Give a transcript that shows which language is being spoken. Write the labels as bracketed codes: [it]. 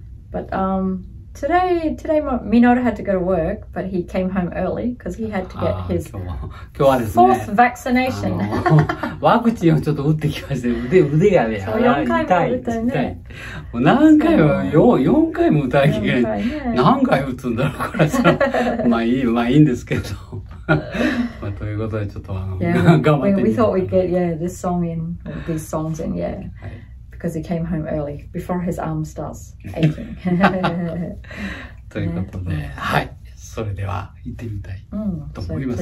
[en] But today Minoru had to go to work, but he came home early because he had to get his 4th vaccination. [ja] ワクチンをちょっと打ってきまして、腕がね、痛い。何回も、4回も打たなきゃいけない。何回打つんだろう、これさ。まあいいんですけど。まあ、ということで、ちょっと頑張って。 [en] We thought we'd get, yeah, this song in, these songs in, yeah. Because he came home early, before his arm starts aching. [ja] ということで、はい。それでは、行ってみたいと思います。